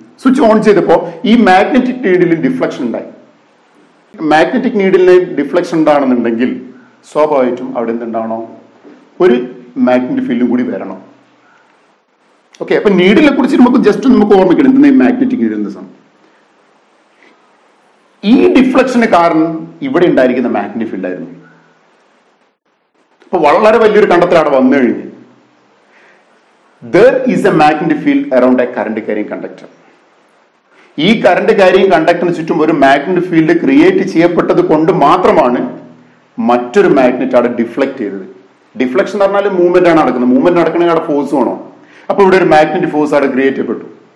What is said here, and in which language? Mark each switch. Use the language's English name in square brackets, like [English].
[Malayalam] Switch on ചെയ്തപ്പോൾ ഈ magnetic നീഡിലും deflection ഉണ്ടായി. മാഗ്നറ്റിക് നീഡിലിന് ഡിഫ്ലക്ഷൻ ഉണ്ടാണെന്നുണ്ടെങ്കിൽ സ്വാഭാവികമായിട്ടും അവിടെ എന്തുണ്ടാവണം, ഒരു മാഗ്നറ്റിക് ഫീൽഡും കൂടി വരണം. ഓക്കെ, അപ്പൊ നീഡിലിനെ കുറിച്ച് നമുക്ക് ജസ്റ്റ് നമുക്ക് ഓർമ്മിക്കണം എന്തിനാ മാഗ്നറ്റിക് നീഡിൽ എന്ന് സാധനം. ഈ ഡിഫ്ലക്ഷന് കാരണം ഇവിടെ ഉണ്ടായിരിക്കുന്ന മാഗ്നറ്റിക് ഫീൽഡ് ആയിരുന്നു. അപ്പൊ വളരെ വലിയൊരു കണ്ടെത്തൽ അവിടെ വന്നു കഴിഞ്ഞു. [English] There is a magnetic field around a current carrying conductor. [Malayalam] ഈ കറണ്ട് കാരിയിങ് കണ്ടക്ടറിന് ചുറ്റും ഒരു മാഗ്നറ്റിക് ഫീൽഡ് ക്രിയേറ്റ് ചെയ്യപ്പെട്ടത് കൊണ്ട് മാത്രമാണ് മറ്റൊരു മാഗ്നറ്റ് അവിടെ ഡിഫ്ലക്ട് ചെയ്തത്. ഡിഫ്ലക്ഷൻ എന്ന് പറഞ്ഞാൽ മൂവ്മെന്റ് ആണ് നടക്കുന്നത്. മൂവ്മെന്റ് നടക്കണമെങ്കിൽ അവിടെ ഫോഴ്സ് വേണോ? അപ്പൊ ഇവിടെ ഒരു മാഗ്നറ്റിക് ഫോഴ്സ് അവിടെ ക്രിയേറ്റ് ചെയ്യപ്പെട്ടു.